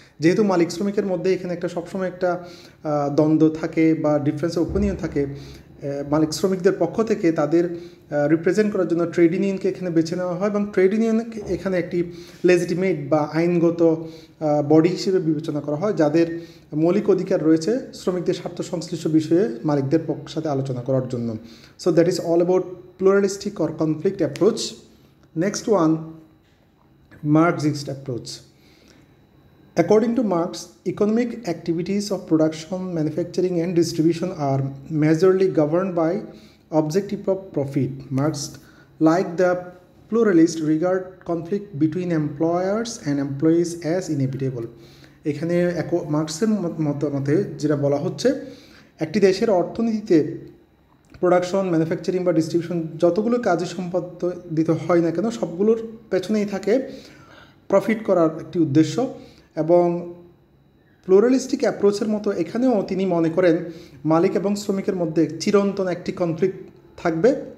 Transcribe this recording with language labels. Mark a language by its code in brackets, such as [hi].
[bn] যেহেতু মালিক শ্রমিকের মধ্যে এখানে একটা সবসময় একটা দ্বন্দ্ব থাকে বা ডিফারেন্স ওপিনিয়ন থাকে, মালিক শ্রমিকদের পক্ষ থেকে তাদের রিপ্রেজেন্ট করার জন্য ট্রেড ইউনিয়নকে এখানে বেছে নেওয়া হয় এবং ট্রেড ইউনিয়নকে এখানে একটি লেজিটিমেট বা আইনগত বডি হিসেবে বিবেচনা করা হয়, যাদের মৌলিক অধিকার রয়েছে শ্রমিকদের স্বার্থ সংশ্লিষ্ট বিষয়ে মালিকদের পক্ষের সাথে আলোচনা করার জন্য। [en] So that is all about pluralistic or conflict approach. Next one, Marxist approach. According to Marx, economic activities of production, manufacturing and distribution are majorly governed by objective of profit. Marx, like the pluralist, regard conflict between employers and employees as inevitable. [bn] এখানে মার্ক্সের মতামতে যেটা বলা হচ্ছে, একটি দেশের অর্থনীতিতে production, manufacturing বা distribution যতগুলো কাজে সম্পাদিত হয় না কেন, সবগুলোর পেছনেই থাকে প্রফিট করার একটি উদ্দেশ্য। এবং প্লুরালিস্টিক অ্যাপ্রোচের মতো এখানেও তিনি মনে করেন মালিক এবং শ্রমিকের মধ্যে চিরন্তন একটি কনফ্লিক্ট থাকবে।